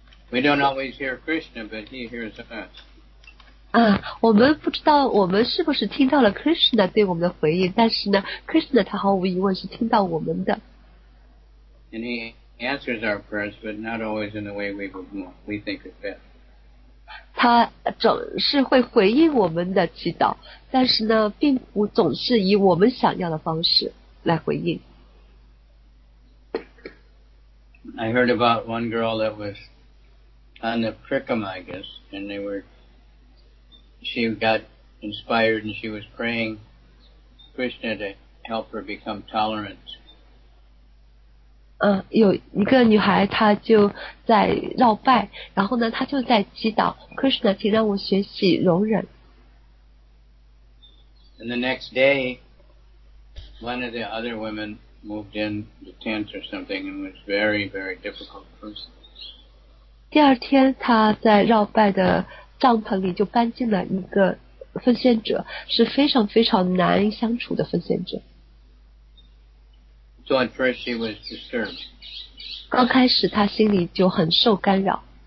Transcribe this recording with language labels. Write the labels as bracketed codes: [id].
[en] We don't always hear Krishna, but he hears us. [zh] 啊，我们不知道我们是不是听到了 Krishna 对我们的回应，但是呢 ，Krishna 他毫无疑问是听到我们的。 [en] And he answers our prayers, but not always in the way we think it best. [zh] 他总是会回应我们的祈祷，但是呢，并不总是以我们想要的方式来回应。 [en] I heard about one girl that was. On the Prickham, I guess, and she got inspired and she was praying Krishna to help her become tolerant. [zh] 有一个女孩她就在绕拜，然后呢她就在祈祷 Krishna 请让我学习容忍。 [en] And the next day, one of the other women moved in the tent or something and was very, very difficult person. [zh] 第二天他在绕拜的帐篷里就搬进了一个奉献者，是非常非常难相处的奉献者。 [en] So at first he was disturbed. [zh] 刚开始他心里就很受干扰。